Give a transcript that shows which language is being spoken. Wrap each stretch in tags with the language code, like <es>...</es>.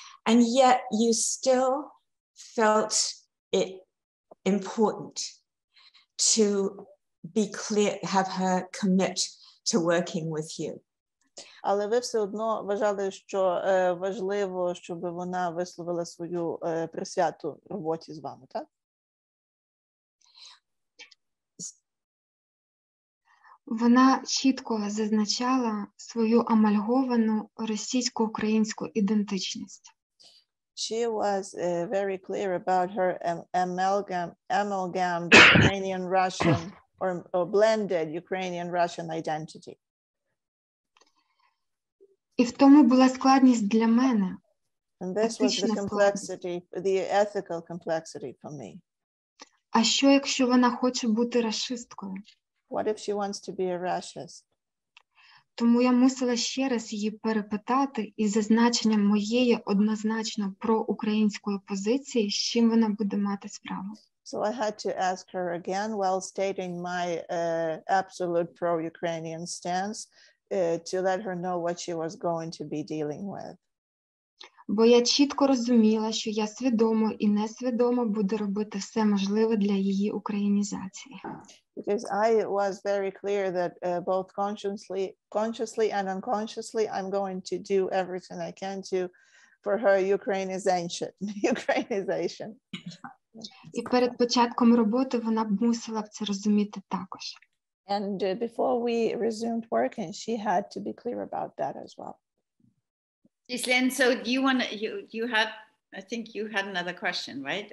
<en>And yet you still felt it important to be clear, have her commit to working with you.</en> <uk>Але ви все одно вважали, що важливо, щоб вона висловила свою присвяту роботі з вами, так? Вона чітко зазначала свою амальговану російсько-українську ідентичність.</uk> <en>She was very clear about her amalgam Ukrainian-Russian or blended Ukrainian-Russian identity.</en> <uk>І в тому була складність для мене.</uk> <en>And this was the complexity, the ethical complexity for me.</en> <uk>А що, якщо вона хоче бути расисткою?</uk> <en>What if she wants to be a racist?</en> <uk>Тому я мусила ще раз її перепитати із зазначенням моєї однозначно проукраїнської позиції, з чим вона буде мати справу.</uk> <en>So I had to ask her again while stating my absolute pro-Ukrainian stance to let her know what she was going to be dealing with.</en> <uk>Бо я чітко розуміла, що я свідомо і несвідомо буду робити все можливе для її українізації.</uk> <en>Because I was very clear that both consciously and unconsciously, I'm going to do everything I can to for her Ukrainization.</en> <uk>І перед початком роботи вона б мусила це розуміти також.</uk> <en>And before we resumed working, she had to be clear about that as well. Ghislaine, so do you want to, you had, I think you had another question, right?</en>